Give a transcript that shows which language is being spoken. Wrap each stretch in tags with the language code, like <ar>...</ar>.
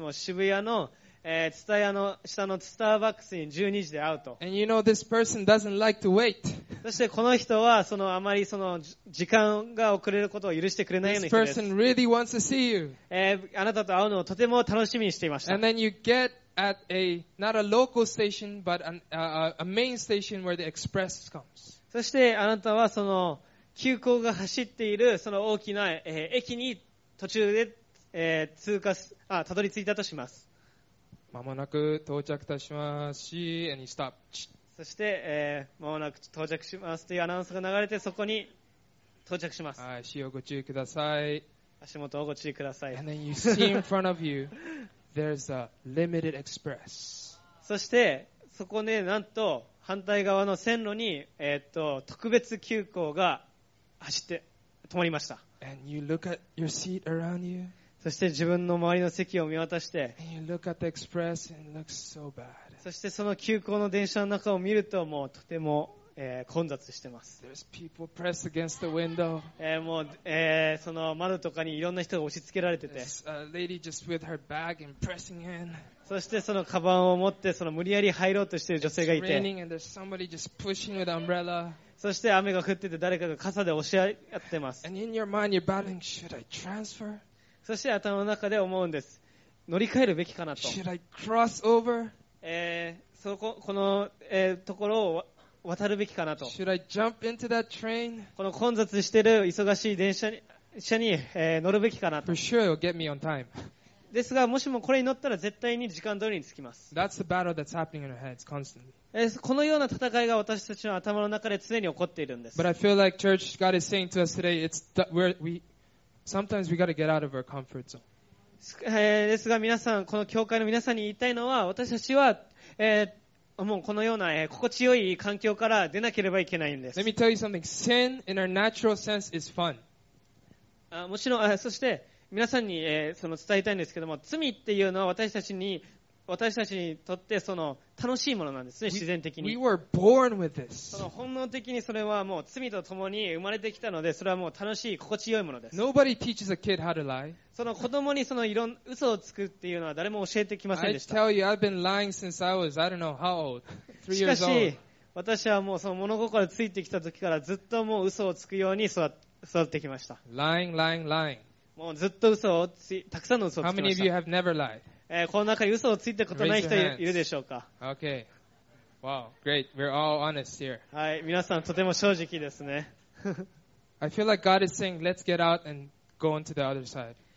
<ja>もう渋谷のツタヤの下のスターバックスに12時で会うと。</ja> <en>And you know this person doesn't like to wait.</en> <ja>そしてこの人はそのあまりその時間が遅れることを許してくれないような人です。</ja> <en>This person really wants to see you.</en> <ja>あなたと会うのをとても楽しみにしていました。</ja> <en>And then you get at a not a local station but a main station where the express comes.</en> <ja>そしてあなたはその急行が走っているその大きな駅に途中で通過す、あ、たどり着いたとします。まもなく到着いたしますし、</ja> <en>and you stop.</en> <ja>そして、まもなく到着しますというアナウンスが流れて、そこに到着します。はい、足をご注意ください。足元をご注意ください。</ja> <en>And then you see in front of you, there's a limited express.</en> <ja>そして、そこで、ね、なんと反対側の線路に、特別急行が走って止まりました。</ja> <en>And you look at your seat around you.</en> <ja>そして自分の周りの席を見渡して、</ja> <en>so、</en> <ja>そしてその急行の電車の中を見るともうとても、混雑してます。</ja> <en>people pressed against the window.</en> <ja>もう、その窓とかにいろんな人が押し付けられてて、</ja> <en>lady just with her bag and pressing in.</en> <ja>そしてそのカバンを持ってその無理やり入ろうとしている女性がいて、</ja> <en>It's raining and there's somebody just pushing with umbrella.</en> <ja>そして雨が降ってて誰かが傘で押し合ってます。</ja> <en>and in your mind you're battling, should I transfer?</en> <ja>そして頭の中で思うんです。乗り換えるべきかなと。</ja> <en>Should I cross over?</en> <ja>そこ、この、ところを渡るべきかなと。</ja> <en>Should I jump into that train?</en> <ja>この混雑してる忙しい電車に、乗るべきかなと。</ja> <en>For sure it'll get me on time.</en> <ja>ですがもしもこれに乗ったら絶対に時間通りに着きます。</ja> <en>That's the battle that's happening in our heads constantly.</en> <ja>このような戦いが私たちの頭の中で常に起こっているんです。</ja> <en>But I feel like church God is saying to us today it's the, where weSometimes we gotta get out of our comfort zone.</en> <ja>ですが皆さん、この教会の皆さんに言いたいのは、私たちは、もうこのような、心地よい環境から出なければいけないんです。</ja> <en>Let me tell you something. Sin in our natural sense is fun.</en> <ja>もちろん、そして皆さんに、その伝えたいんですけども、罪っていうのは私たちにとってその楽しいものなんですね、自然的に。</ja> <en>We were born with this.</en> <ja>その本能的にそれはもう罪と共に生まれてきたので、それはもう楽しい、心地よいものです。</ja> <en>Nobody teaches a kid how to lie.</en> <ja>その子供にそのいろん嘘をつくっていうのは誰も教えてきませんでした。</ja> <en>I tell you, I've been lying since I was, I don't know how old, 3 years old.</en> <ja>しかし、私はもうその物心ついてきた時からずっともう嘘をつくように育ってきました。</ja> <en>Lying, lying, lying.</en> <ja>もうずっと嘘をつい、たくさんの嘘をつきました。</ja> <en>How many of you have never lied?</en> <ja>この中に嘘をついたことない人いるでしょうか。</ja> <en>Okay. Wow. Great. We're all honest here.</en> <ja>はい、皆さんとても正直ですね。</ja> <en>I feel like God is saying, let's get out and go onto the other side.</en>